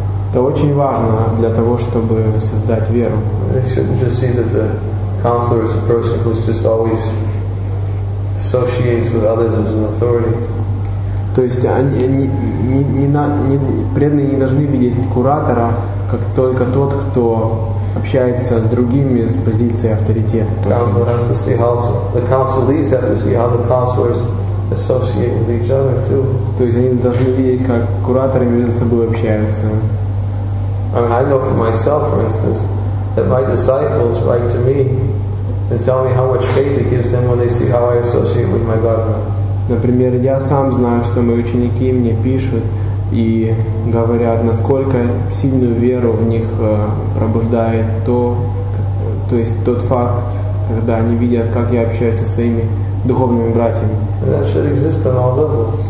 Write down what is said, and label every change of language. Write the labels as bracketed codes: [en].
[ru] Это очень важно для того, чтобы создать веру. [en] They shouldn't just see that the counselor is a person who's just always associates with others as an authority. [ru] То есть преданные не должны видеть куратора как только тот, кто общается с другими с позиции авторитета. [en] The counselees have to see how the counselors associate with each other too. [ru] То есть они должны видеть, как кураторы между собой общаются. [en] I mean, I know for myself, for instance, that my disciples write to me and tell me how much faith it gives them when they see how I associate with my Bhagavan. [ru] Например, я сам знаю, что мои ученики мне пишут и говорят, насколько сильную веру в них пробуждает то есть тот факт, когда они видят, как я общаюсь со своими духовными братьями. [en] Levels.